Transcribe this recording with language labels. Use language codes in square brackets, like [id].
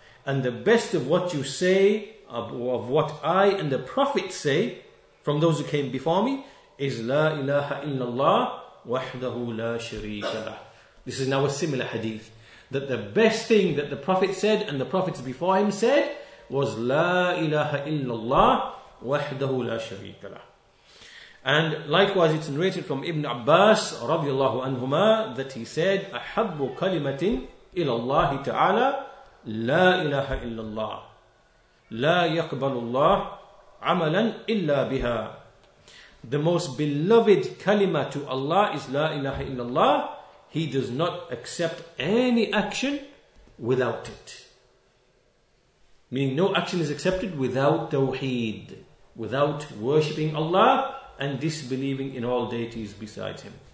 [en] And the best of what you say, of what I and the Prophet say, from those who came before me, is [ar] La ilaha illallah wahdahu la sharika lah. [en] This is now a similar hadith. That the best thing that the Prophet said and the Prophets before him said was [ar] La ilaha illallah wahdahu la sharika lah. [en] And likewise, it's narrated from Ibn Abbas radiallahu anhuma that he said, [ar] أَحَبُّ كَلِمَةٍ إِلَى اللَّهِ تَعَالَى لَا إِلَهَ إِلَّا اللَّهِ لَا يَقْبَلُ اللَّهِ عَمَلًا إِلَّا بِهَا. [en] The most beloved kalima to Allah is La ilaha illallah. He does not accept any action without it. Meaning no action is accepted without tawheed, without worshipping Allah and disbelieving in all deities besides him.